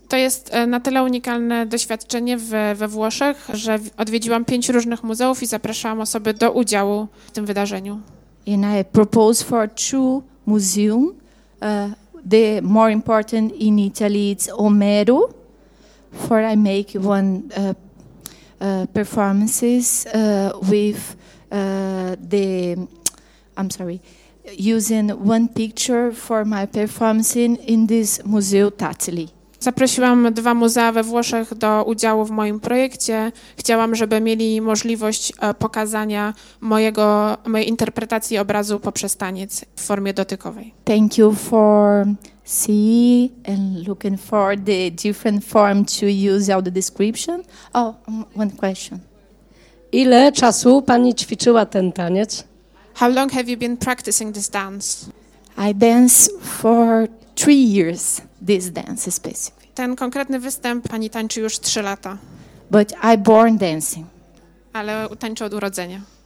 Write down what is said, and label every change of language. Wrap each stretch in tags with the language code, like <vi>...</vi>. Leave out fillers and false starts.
<pl>To jest na tyle unikalne doświadczenie we Włoszech, że odwiedziłam 5 różnych muzeów i zapraszałam osoby do udziału w tym wydarzeniu.</pl> <en>And I propose for 2 museum. The more important in Italy is Omero. For I make one performances with the, I'm sorry, using one picture for my performance in this museum Tattily.</en> <pl>Zaprosiłam 2 muzea we Włoszech do udziału w moim projekcie. Chciałam, żeby mieli możliwość pokazania mojej interpretacji obrazu poprzez taniec w formie dotykowej.</pl> <en>Thank you for see and looking for the different form to use out the description. Oh, one question.</en> <pl>Ile czasu pani ćwiczyła ten taniec?</pl> <en>How long have you been practicing this dance? I dance for 3 years, this dance specifically.</en> <pl>Ten konkretny występ pani tańczy już 3 lata. But I born dancing. Ale tańczy od urodzenia.</pl>